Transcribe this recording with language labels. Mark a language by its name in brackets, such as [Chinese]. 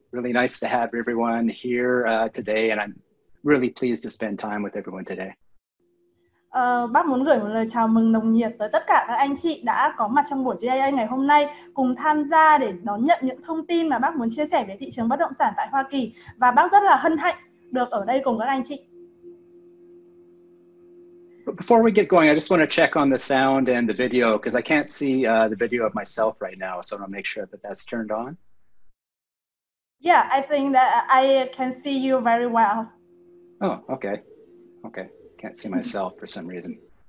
[English] Really nice to have everyone here today, and I'm really pleased to spend time with everyone today. [Vietnamese] Bác muốn gửi một lời chào mừng nồng nhiệt tới tất cả các anh chị đã có mặt trong buổi GIA ngày hôm nay cùng tham gia để đón nhận những thông tin mà bác muốn chia sẻ về thị trường bất động sản tại Hoa Kỳ. Và bác rất là hân hạnh được ở đây cùng các anh chị. [English] Before we get going, I just want to check on the sound and the video because I can't see the video of myself right now, so I'm going to make sure that that's turned on. Yeah, I think that I can see you very well. Oh, okay. Okay. Can't see myself for some reason.